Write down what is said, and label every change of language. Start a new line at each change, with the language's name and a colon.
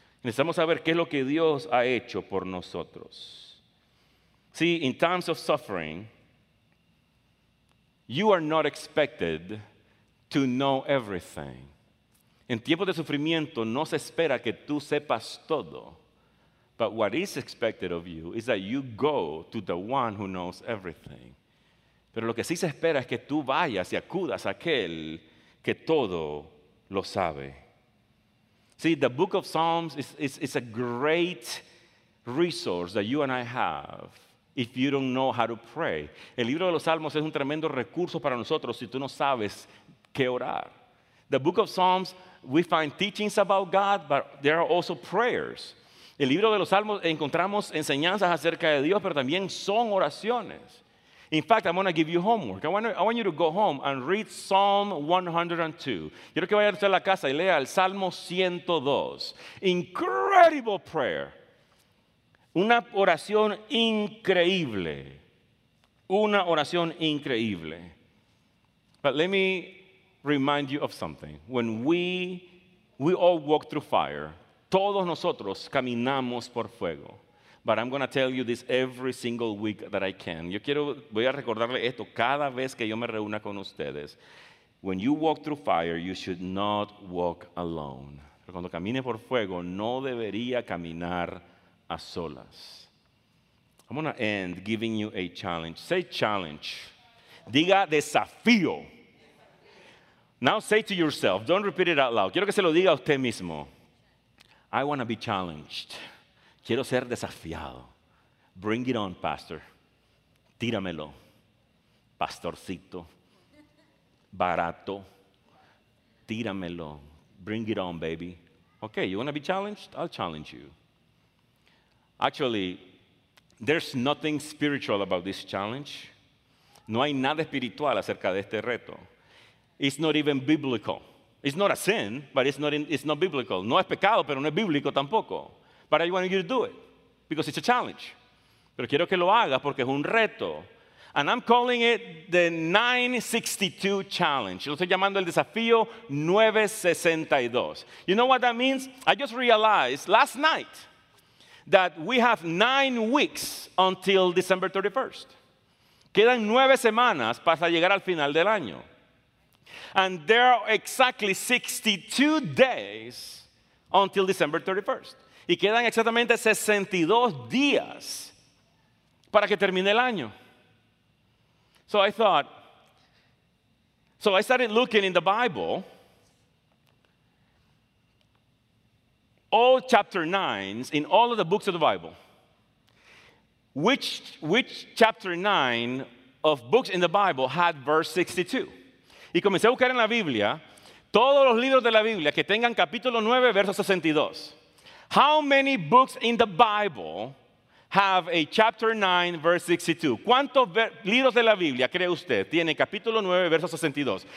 Spanish: Necesitamos saber qué es lo que Dios ha hecho por nosotros.
English: See, in times of suffering, you are not expected to know everything.
Spanish: En tiempos de sufrimiento, no se espera que tú sepas todo.
English: But what is expected of you is that you go to the one who knows everything.
Spanish: Pero lo que sí se espera es que tú vayas y acudas a aquel que todo lo sabe.
English: See, the book of Psalms is a great resource that you and I have if you don't know how to pray.
Spanish: El libro de los Salmos es un tremendo recurso para nosotros si tú no sabes qué orar.
English: The book of Psalms, we find teachings about God, but there are also prayers.
Spanish: El libro de los Salmos encontramos enseñanzas acerca de Dios, pero también son oraciones.
English: In fact, I'm going to give you homework. I want you to go home and read Psalm 102.
Spanish: Quiero que vayas a la casa y lea el Salmo 102.
English: Incredible prayer.
Spanish: Una oración increíble. Una oración increíble.
English: But let me remind you of something. When we all walk through fire,
Spanish: todos nosotros caminamos por fuego.
English: But I'm going to tell you this every single week that I can.
Spanish: Voy a recordarle esto cada vez que yo me reúna con ustedes.
English: When you walk through fire, you should not walk alone.
Spanish: Pero cuando camine por fuego, no debería caminar a solas.
English: I'm going to end giving you a challenge. Say challenge.
Spanish: Diga desafío.
English: Now say to yourself. Don't repeat it out loud.
Spanish: Quiero que se lo diga a usted mismo.
English: I want to be challenged.
Spanish: Quiero ser desafiado.
English: Bring it on, Pastor.
Spanish: Tíramelo. Pastorcito. Barato. Tíramelo.
English: Bring it on, baby. Okay, you want to be challenged? I'll challenge you. Actually, there's nothing spiritual about this challenge.
Spanish: No hay nada espiritual acerca de este reto.
English: It's not even biblical. It's not a sin, but it's not biblical.
Spanish: No es pecado, pero no es bíblico tampoco.
English: But I want you to do it, because it's a challenge.
Spanish: Pero quiero que lo hagas porque es un reto.
English: And I'm calling it the 962 challenge.
Spanish: Lo estoy llamando el desafío 962.
English: You know what that means? I just realized last night that we have 9 weeks until December 31st.
Spanish: Quedan 9 semanas para llegar al final del año.
English: And there are exactly 62 days until December 31st.
Spanish: Y quedan exactamente 62 días para que termine el año.
English: So I started looking in the Bible. All chapter 9s in all of the books of the Bible. Which chapter 9 of books in the Bible had verse 62?
Spanish: Y comencé a buscar en la Biblia todos los libros de la Biblia que tengan capítulo 9, verso 62.
English: How many books in the Bible have a chapter 9, verse 62?
Spanish: ¿Cuántos libros de la Biblia cree usted tiene capítulo 9, verso 62?